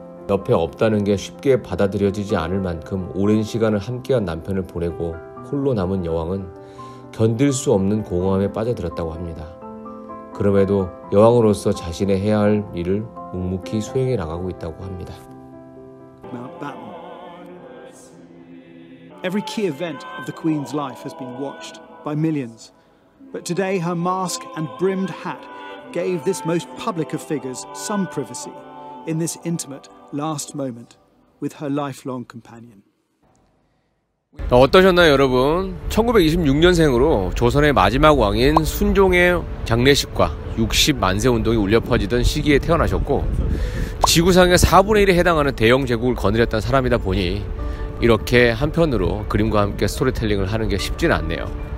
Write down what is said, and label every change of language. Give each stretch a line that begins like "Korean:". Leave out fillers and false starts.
Korean: 옆에 없다는 게 쉽게 받아들여지지 않을 만큼 오랜 시간을 함께한 남편을 보내고 홀로 남은 여왕은 견딜 수 없는 공허함에 빠져들었다고 합니다. 그럼에도 여왕으로서 자신의 해야 할 일을 묵묵히 수행해 나가고 있다고 합니다.
English: Every key event of the Queen's life has been watched by millions. But today her mask and brimmed hat gave this most public of figures some privacy in this intimate last moment with her lifelong companion.
Korean: 어떠셨나요, 여러분? 1926년생으로 조선의 마지막 왕인 순종의 장례식과 60만세 운동이 울려 퍼지던 시기에 태어나셨고 지구상의 4분의 1에 해당하는 대영 제국을 거느렸던 사람이다 보니 이렇게 한편으로 그림과 함께 스토리텔링을 하는 게 쉽진 않네요.